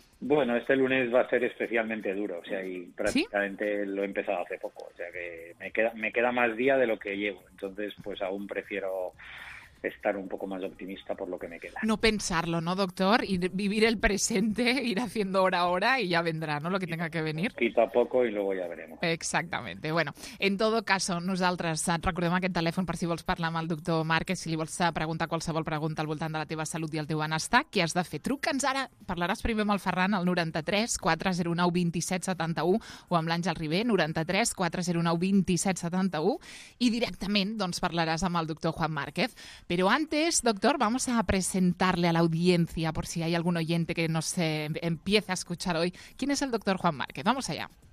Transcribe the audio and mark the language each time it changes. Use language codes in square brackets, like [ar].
[es] Bueno, este lunes va a ser especialmente duro, o sea, y prácticamente ¿sí? Lo he empezado hace poco, o sea que me queda más día de lo que llevo, entonces pues aún prefiero estar un poco más optimista por lo que me queda. No pensarlo, ¿no, doctor? Y vivir el presente, ir haciendo hora a hora y ya vendrá, ¿no?, lo que tenga que venir. Poquito a poco y luego ya veremos. Exactamente. Bueno, en todo caso, [ca] nosaltres recordem aquest telèfon per si vols parlar amb el doctor Márquez, si li vols preguntar qualsevol pregunta al voltant de la teva salut i el teu benestar, què has de fer? Truca'ns ara, parlaràs primer amb el Ferran, al 93 409 2771 o amb l'Àngel Ribé, 93 409 2771 i directament doncs parlaràs amb el doctor Juan Márquez. [es] Pero antes, doctor, vamos a presentarle a la audiencia, por si hay algún oyente que nos empiece a escuchar hoy. ¿Quién es el doctor Juan Márquez? Vamos allá.